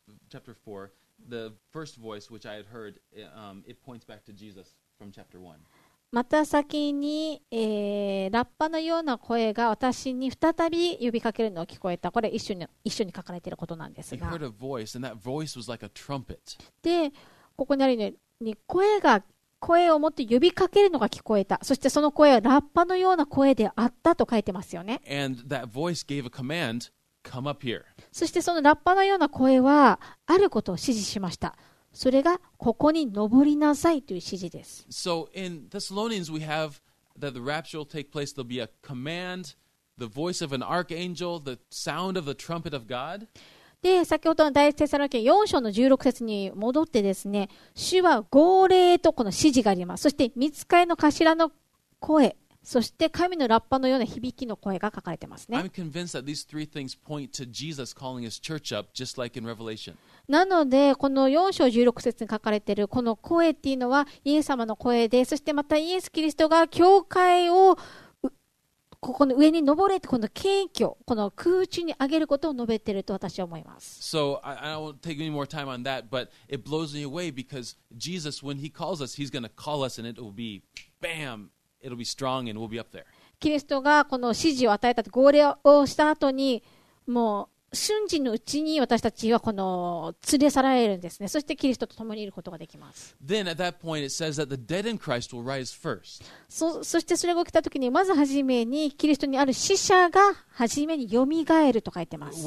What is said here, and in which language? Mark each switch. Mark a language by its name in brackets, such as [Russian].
[English] chapter 4, the first voice which I had heard, it points back to Jesus from chapter 1. [Japanese] また先に、ラッパのような声が私に再び呼びかけるのを聞こえた。これ一緒に書かれていることなんですが。 [English] He heard a voice, and that voice was like a trumpet. [Japanese] で、ここにあるように声を持って呼びかけるのが聞こえた。そしてその声はラッパのような声であったと書いてますよね。 [English] And that voice gave a command. Come up here. [Japanese] そしてそのラッパのような声はあることを指示しました。それがここに登りなさいという指示です。 [English] So in Thessalonians we have that the rapture will take place. There'll be a command, the voice of an archangel, the sound of the trumpet of God. [Japanese] で、先ほどの第一テサロニケ4章の16節に戻ってですね、主は号令とこの指示があります。そして御使いの頭の声。そして神のラッパのような響きの声が書かれてますね。 [English] I'm convinced that these three things point to Jesus calling his church up, just like in Revelation. [Japanese] なので、この4章16節に書かれているこの声っていうのは、イエス様の声で、そしてまたイエス・キリストが教会をここの上に登れて、この謙虚、この空中に上げることを述べていると私は思います。 [English] So, I won't take any more time on that, but it blows me away because Jesus, when he calls us, he's going to call us and it will be bam! It'll be strong and we'll be up there. [Japanese] キリストがこの指示を与えた号令をした後にもう瞬時のうちに私たちはこの連れ去られるんですね。そしてキリストと共にいることができます。 [English] Then at that point it says that the dead in Christ will rise first. [Japanese] そしてそれが起きた時にまず初めにキリストにある死者が初めによみがえると書いてます。